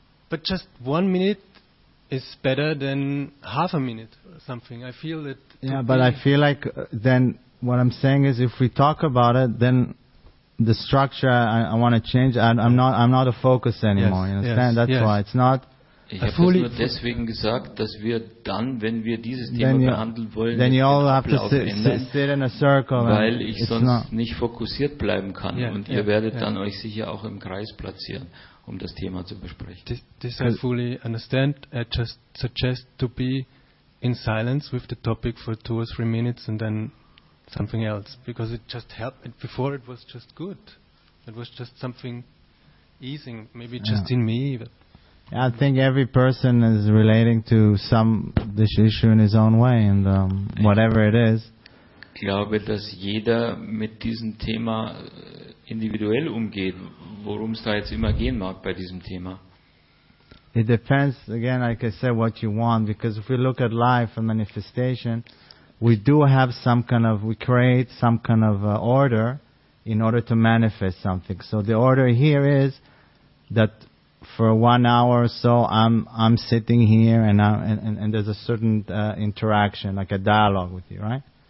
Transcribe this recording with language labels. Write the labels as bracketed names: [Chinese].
[English] But just 1 minute is better than half a minute or something. I feel that. Yeah, but I feel like then what I'm saying is, if we talk about it, then the structure I want to change. I'm not a focus anymore. Yes, you understand? that's yes. Why it's not. [German] Ich habe nur deswegen gesagt, dass wir dann, wenn wir dieses Thema behandeln wollen, [English] then you all have to sit in a circle, [German] weil ich sonst nicht fokussiert bleiben kann. Yeah, und ihr werdet dann euch sicher auch im Kreis platzieren, um das Thema zu besprechen. [English] This I fully understand. I just suggest to be in silence with the topic for 2 or 3 minutes and then something else, because it just helped. Before it was just good. It was just something easing, maybe just in me. I think every person is relating to this issue in his own way, and whatever it is. [German] Ich glaube, dass jeder mit diesem Thema individuell umgeht, worum es da jetzt immer gehen mag bei diesem Thema. [English] It depends, again, like I said, what you want, because if we look at life and manifestation, we do have we create some kind of order in order to manifest something. So the order here is that for 1 hour or so, I'm sitting here, and there's a certain interaction, like a dialogue with you, right?